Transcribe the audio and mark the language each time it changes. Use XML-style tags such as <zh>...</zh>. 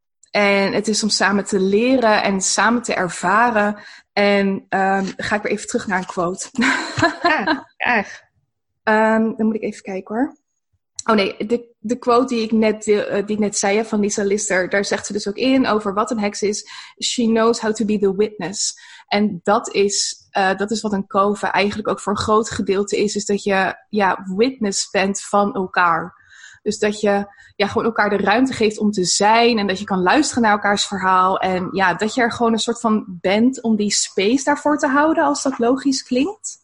<nl>En het is om samen te leren en samen te ervaren. En ga ik weer even terug naar een quote. Graag. Dan moet ik even kijken hoor. Oh nee, de quote die ik net zei van Lisa Lister, daar zegt ze dus ook in over wat een heks is.</nl> <en>She knows how to be the witness.</en> <nl>En dat is wat een koven eigenlijk ook voor een groot gedeelte is. Is dat je witness bent van elkaar. Dus dat je gewoon elkaar de ruimte geeft om te zijn. En dat je kan luisteren naar elkaars verhaal. En dat je er gewoon een soort van bent om die space daarvoor te houden, als dat logisch klinkt.</nl>